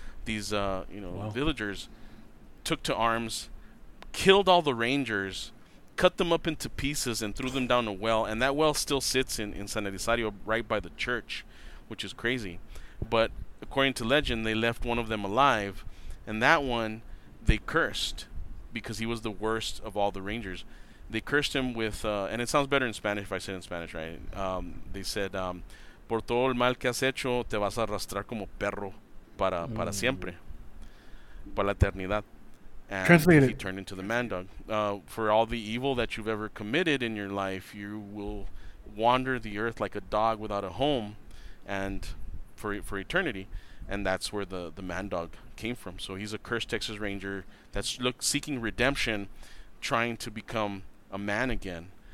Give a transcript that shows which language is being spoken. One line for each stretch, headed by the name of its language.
English: These villagers took to arms, killed all the Rangers, cut them up into pieces and threw them down a well, and that well still sits in San Elisario right by the church, which is crazy. But according to legend, they left one of them alive, and that one they cursed because he was the worst of all the Rangers. They cursed him with, and it sounds better in Spanish if I say it in Spanish, right?
Spanish: They said, por todo el mal que has hecho, te vas a arrastrar como perro para siempre, para la eternidad.
English: And translated. He turned into the Man Dog. For all the evil that you've ever committed in your life, you will wander the earth like a dog without a home, and for eternity. And that's where the Mad Dog came from. So he's a cursed Texas Ranger that's seeking redemption, trying to become a man again.